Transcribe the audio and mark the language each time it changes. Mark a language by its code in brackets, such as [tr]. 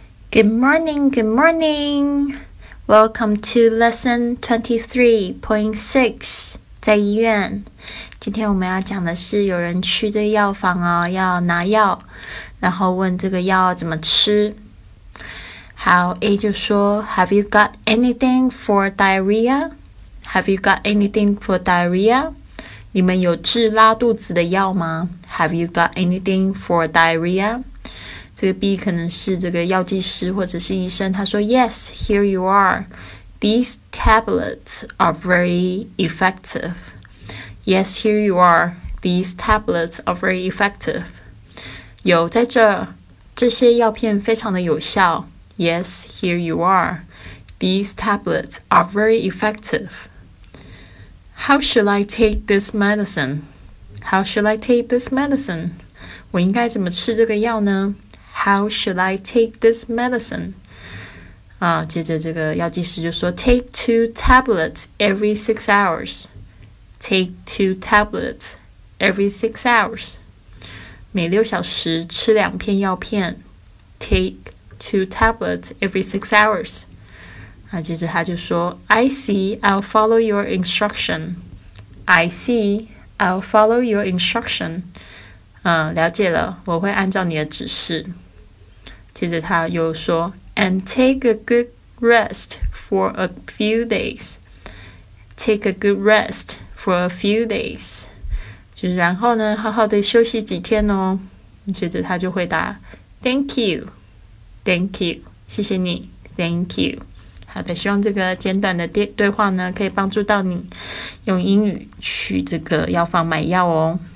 [en] Good morning, good morning. Welcome to lesson 23.6, 在医院。 [zh] 今天我们要讲的是有人去这个药房哦，要拿药，然后问这个药怎么吃。 [en] 好， A 就说 Have you got anything for diarrhea? Have you got anything for diarrhea? [zh] 你们有治拉肚子的药吗？ [en] Have you got anything for diarrhea? [zh] 这个 B 可能是这个药剂师或者是医生，他说 Yes, here you are. [en] These tablets are very effective. Yes, here you are. These tablets are very effective. [zh] 有在这，这些药片非常的有效。 [en] Yes, here you are. These tablets are very effective. How should I take this medicine? How should I take this medicine? [zh] 我应该怎么吃这个药呢？ [en] How should I take this medicine? 啊，接着这个药剂师就说 Take two tablets every 6 hours. Take two tablets every 6 hours. [zh] 每六小时吃两片药片。 [en] Take two tablets every 6 hours. 啊，接着他就说 I see, I'll follow your instruction. I see, I'll follow your instruction. [zh] 了解了，我会按照你的指示。接着他又说 And take a good rest for a few days. [en] Take a good rest for a few days. [zh] 就是然后呢好好的休息几天哦。接着他就回答 Thank you. [en] Thank you. 谢谢你。 Thank you. [zh] 好的，希望这个简短的对话呢可以帮助到你用英语去这个药房买药哦。